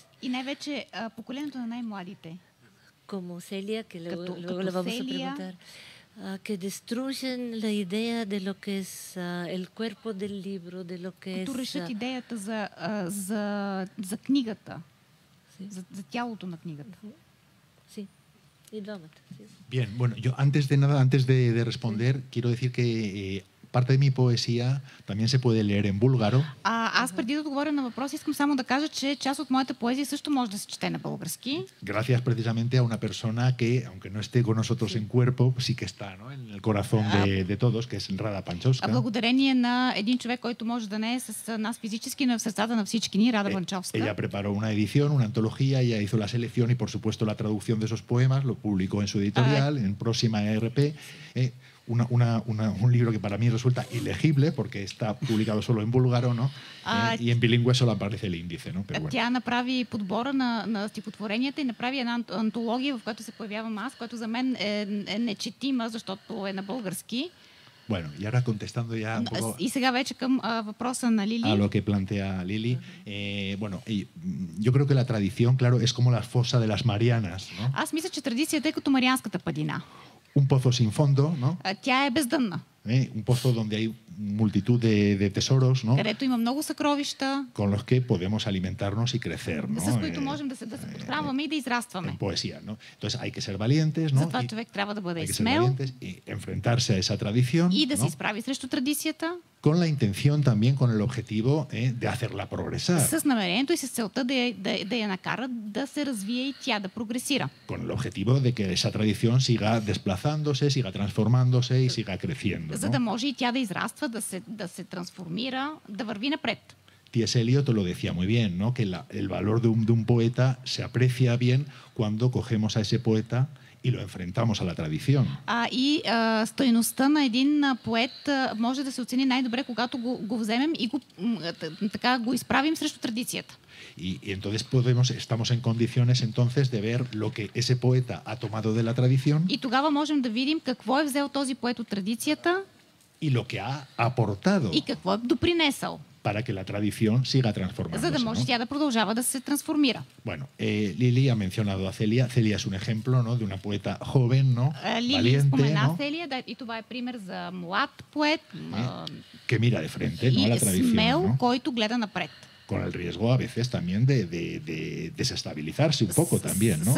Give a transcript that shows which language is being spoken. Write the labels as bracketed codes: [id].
[bg] И най-вече поколението на най-младите. [es] Como Celia, que luego, [bg] като, [es] luego като la vamos Celia, a preguntar. Que destruyen la idea de lo que es el cuerpo del libro, de lo que като решат идеята за, за, за книгата, за, за тялото на книгата. Sí. Y [bg] двамата. [es] Bien, bueno, yo antes de nada, antes de responder, sí. quiero decir que parte de mi poesía también se puede leer en búlgaro. [bg] Аз преди да отговоря на въпроса, искам само да кажа, че част от моята поезия също може да се чете на български. [es] Gracias precisamente a una persona que, aunque no esté con nosotros en cuerpo, sí que está, ¿no? En el corazón de todos, que es Rada Panchowska. [bg] Благодарение на един човек, който може да не е с нас физически, но е в сърцата на всички ни, Рада Панчовска. [es] Ella preparó una edición, una antología, ella hizo la selección y, por supuesto, la traducción de esos poemas, lo publicó en su editorial, en Próxima RP. Un libro que para mí resulta ilegible porque está publicado solo en búlgaro, ¿no? Y en bilingüe solo aparece el índice, ¿no? Pero bueno. [bg] Тя направи подбора на, на стихотворенията и направи една антология, в която се появявам аз, която за мен е, е нечетима, защото е на български. [es] Bueno, y ahora contestando ya un poco... Y [bg] сега вече към въпроса на Лили. [es] A lo que plantea Лили. Uh-huh. Bueno, yo creo que la tradición, claro, es como la fosa de las Marianas, ¿no? [bg] Аз мисля, че традицията е като Марианската падина. [es] Un pozo sin fondo, ¿no? [bg] Тя е бездънна. [es] Un pozo donde hay multitud de tesoros, ¿no? [bg] Където има много съкровища. [es] Con los que podemos alimentarnos y crecer, ¿no? [bg] С които можем да се подхранваме и да израстваме. [es] En poesía, ¿no? Entonces hay que ser valientes, ¿no? [bg] Затова човек трябва да бъде смел. [es] Hay que ser valientes y enfrentarse a esa tradición. [bg] И да се изправи срещу традицията. [es] Con la intención también, con el objetivo de hacerla progresar. [bg] С намерението и с целта да я накара да се развие и тя да прогресира. [es] Con el objetivo de que esa tradición siga desplazándose, siga transformándose y siga creciendo. [bg] За да може и тя да израства, да се трансформира, да върви напред. [es] T.S. Eliot lo decía muy bien, ¿no? Que el valor de un poeta se aprecia bien cuando cogemos a ese poeta y lo enfrentamos a la tradición. [bg] Стойността на един поет може да се оцени най-добре, когато го вземем и го изправим срещу традицията. [es] Y entonces podemos, estamos en condiciones entonces de ver lo que ese poeta ha tomado de la tradición. [bg] И тогава можем да видим какво е взел този поет от традицията. [es] Y lo que ha aportado. [bg] И какво е допринесъл. [es] Para que la tradición siga transformándose. [bg] За да може тя да продължава да се трансформира. [es] Bueno, Lili ha mencionado a Celia. Celia es un ejemplo, ¿no? De una poeta joven, ¿no? [bg] Lili спомена Celia, да, и това е пример за млад поет. [es] Que mira de frente, ¿no? A la tradición, [bg] смел, [es] ¿no? [bg] Който гледа напред. [es] Con el riesgo a veces también de desestabilizarse un poco también, ¿no?